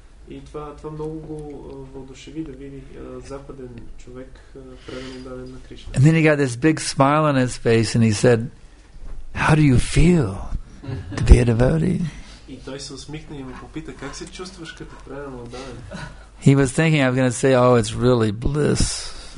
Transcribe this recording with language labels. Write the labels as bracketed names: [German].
[Bulgarian] И това, това много го въодушеви да види западен човек предан даден на Кришна. [English] And then he got this big smile on his face and he said, how do you feel to be a devotee? [Bulgarian] И той се усмихна и ме попита, как се чувстваш като предан даден? [English] He was thinking, I'm going to say, oh, it's really bliss.